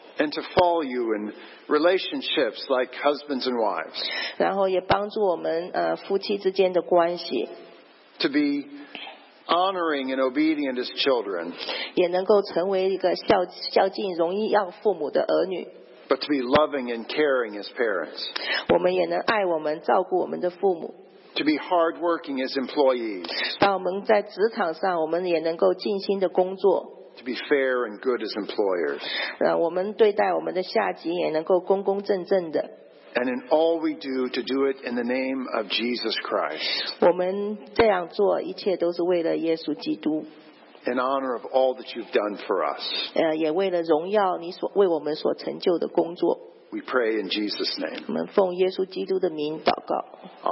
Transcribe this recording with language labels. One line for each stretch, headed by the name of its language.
English: And to follow you in relationships like husbands and wives.
Chinese: 然后也帮助我们夫妻之间的关系。
English: To be honoring and obedient as children.
Chinese: 也能够成为一个孝敬、容易让父母的儿女。
English: But to be loving and caring as parents.
Chinese: 我们也能爱我们、照顾我们的父母。
English: To be hardworking as employees.
Chinese: 当我们在职场上，我们也能够尽心的工作。
English: To be fair and good as employers.
Chinese: 我们对待我们的下级也能够公公正正的。
English: And in all we do, to do it in the name of Jesus Christ.
Chinese: 我们这样做，一切都是为了耶稣基督。
English: In honor of all that you've done for us.
Chinese: 也为了荣耀你所为我们所成就的工作。
English: We pray in Jesus' name.
Chinese: 我们奉耶稣基督的名祷告。